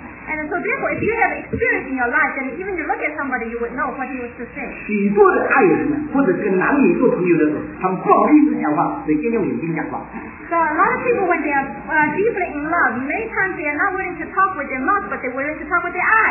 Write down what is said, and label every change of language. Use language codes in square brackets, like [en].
[en] And so therefore, if you have experience in your life, then even you look at somebody, you would know what he was to say. [zh] 许多的爱人或者跟男女做朋友的时候，他们不好意思讲话，所以尽量眼睛讲话。 [en] So a lot of people, when they are deeply in love, many times they are not willing to talk with their mouth, but they are willing to talk with their eyes.